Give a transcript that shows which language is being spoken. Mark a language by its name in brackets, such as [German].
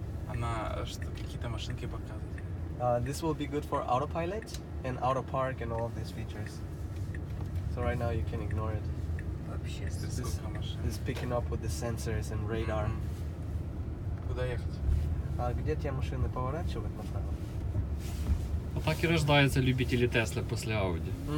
[Russian] Она что, какие-то машинки показывает? [English] This will be good for autopilot and auto park and all of these features. So right now you can ignore it. [Russian] Вообще, сколько машин? [English] This picking up with the sensors and radar. [Russian] Куда ехать? А где те машины поворачивать направо? Вот так и рождаются любители Теслы после Ауди.